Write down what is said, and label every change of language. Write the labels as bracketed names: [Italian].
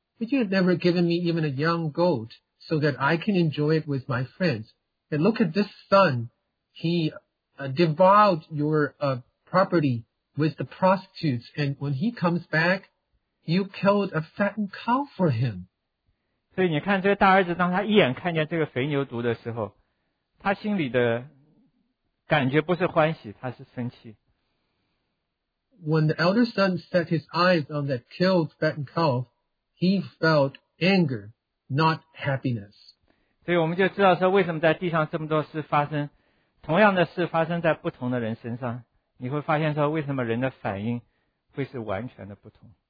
[English] But you have never given me even a young goat so that I can enjoy it with my friends. And look at this son. He devoured your property with the prostitutes. And when he comes back, you killed a fattened cow for him. [Chinese] 所以你看这个大儿子，当他一眼看见这个肥牛犊的时候，他心里的 感觉不是欢喜，他是生气。 [English] When the elder son set his eyes on that killed fattened calf, he felt anger, not happiness. [Chinese] 所以我们就知道说，为什么在地上这么多事发生，同样的事发生在不同的人身上，你会发现说，为什么人的反应会是完全的不同。